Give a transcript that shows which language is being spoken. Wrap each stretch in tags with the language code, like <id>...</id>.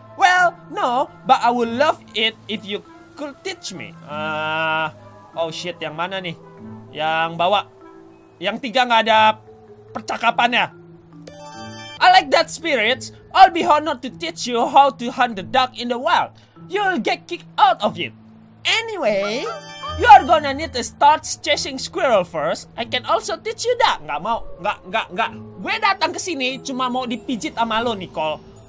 <en>Well, no, but I would love it if you could teach me. Oh shit,</en> <id>yang mana nih? Yang bawa. Yang tiga gak ada percakapannya.</id> <en>I like that spirit. I'll be honored to teach you how to hunt the duck in the wild. You'll get kicked out of it. Anyway, you are gonna need to start chasing squirrel first. I can also teach you that.</en> <id>Gak mau, gak. Gue datang ke sini cuma mau dipijit sama lo, Nicole.</id>